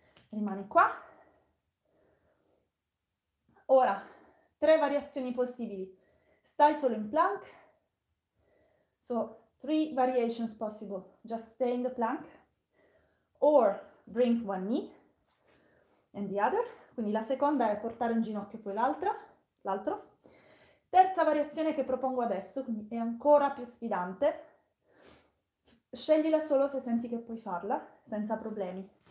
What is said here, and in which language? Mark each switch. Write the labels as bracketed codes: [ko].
[it] Rimani qua. Ora, tre variazioni possibili. Stai solo in plank. [en] So, three variations possible. Just stay in the plank. Or bring one knee and the other. [it] Quindi la seconda è portare un ginocchio e poi l'altro. Terza variazione che propongo adesso, quindi è ancora più sfidante. Sceglila solo se senti che puoi farla, senza problemi.